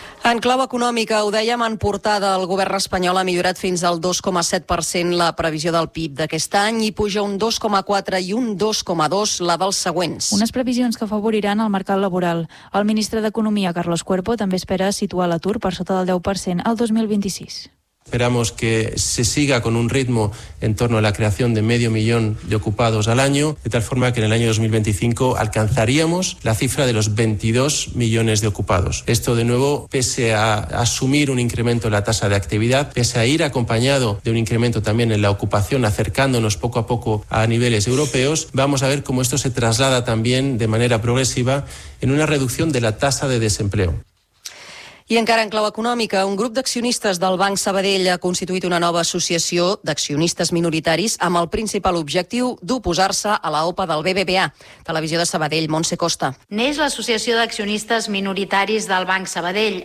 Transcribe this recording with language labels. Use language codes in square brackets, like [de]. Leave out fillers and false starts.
[ca] En clau econòmica, ho dèiem en portada, el govern espanyol ha millorat fins al 2,7% la previsió del PIB d'aquest any i puja un 2,4 i un 2,2 la dels següents. Unes previsions que afavoriran el mercat laboral. El ministre d'Economia, Carlos Cuerpo, també espera situar l'atur per sota del 10% al 2026. [es] Esperamos que se siga con un ritmo en torno a la creación de medio millón de ocupados al año, de tal forma que en el año 2025 alcanzaríamos la cifra de los 22 millones de ocupados. Esto, de nuevo, pese a asumir un incremento en la tasa de actividad, pese a ir acompañado de un incremento también en la ocupación, acercándonos poco a poco a niveles europeos, vamos a ver cómo esto se traslada también de manera progresiva en una reducción de la tasa de desempleo. [ca] I encara en clau econòmica, un grup d'accionistes del Banc Sabadell ha constituït una nova associació d'accionistes minoritaris amb el principal objectiu d'oposar-se a la OPA del BBVA. Televisió de Sabadell, Montse Costa. N'és l'associació d'accionistes minoritaris del Banc Sabadell.